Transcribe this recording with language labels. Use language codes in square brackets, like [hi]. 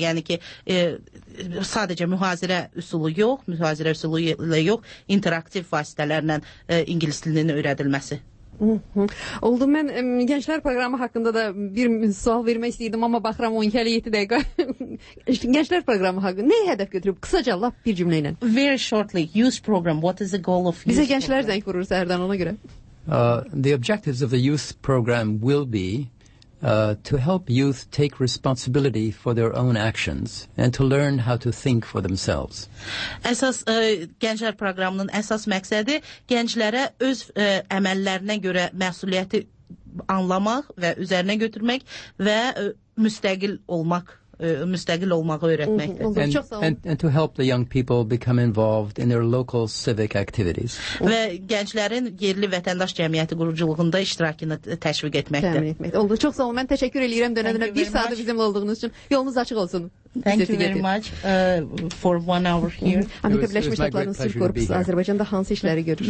[az] Yəni ki, sadəcə mühazirə üsulu yox, mühazirə üsulu ilə yox, interaktiv vasitələrlə ingilis dilinin öyrədilməsi. Oldu, mən gənclər proqramı haqqında da bir sual vermək istəyirdim, amma baxıram 12-7 dəqiqə. Gənclər proqramı haqqı, nəyə hədəf götürüb? Qısaca, laf bir cümlə ilə. [en] Very shortly, youth program, what is the goal of youth [az] Bizə gənclər zəng vurur səhərdən ona görə. [en] The objectives of the youth program will be to help youth take responsibility for their own actions and to learn how to think for themselves. [az] Əsas gənclər proqramının əsas məqsədi gənclərə öz əməllərinə görə məsuliyyəti anlamaq və üzərinə götürmək və müstəqil olmağı öyrətməkdir. [en] And to help the young people become involved in their local civic activities. [az] Və gənclərin yerli vətəndaş cəmiyyəti quruculuğunda iştirakını təşviq etməkdir. Təmin etməkdir. Oldu. Çox sağ olun. Mən təşəkkür edirəm dönəndən. Bir saat bizimlə olduğunuz üçün. Yolunuz açıq olsun. [en] Thank you very much for 1 hour here. [az] Amerika Birleşmiş Azərbaycanda hansı işləri görür?